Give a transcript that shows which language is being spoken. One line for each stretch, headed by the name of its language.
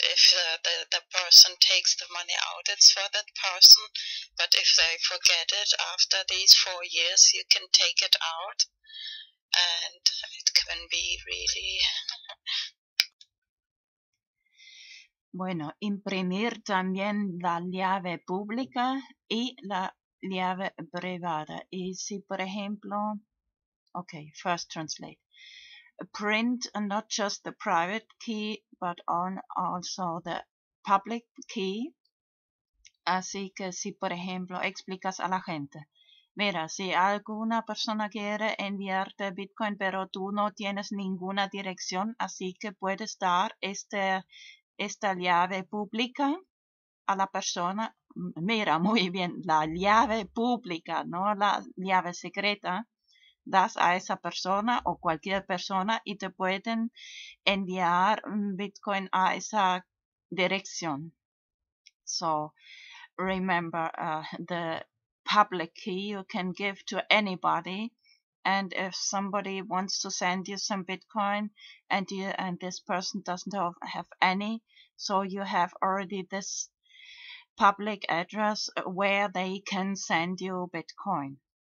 English: If the person takes the money out, it's for that person. But if they forget it after these 4 years, you can take it out, and it can be really.
Spanish: Bueno, imprimir también la llave pública y la llave privada. Y si, por ejemplo,
English: okay, first translate. Print, and not just the private key, but on also the public key.
Spanish: Así que si, por ejemplo, explicas a la gente, mira, si alguna persona quiere enviarte Bitcoin, pero tú no tienes ninguna dirección, así que puedes dar esta llave pública a la persona. Mira, muy bien, la llave pública, no la llave secreta. Das a esa persona o cualquier persona y te pueden enviar Bitcoin a esa dirección.
English: So, remember, the public key you can give to anybody. And if somebody wants to send you some Bitcoin and this person doesn't have any, so you have already this public address where they can send you Bitcoin.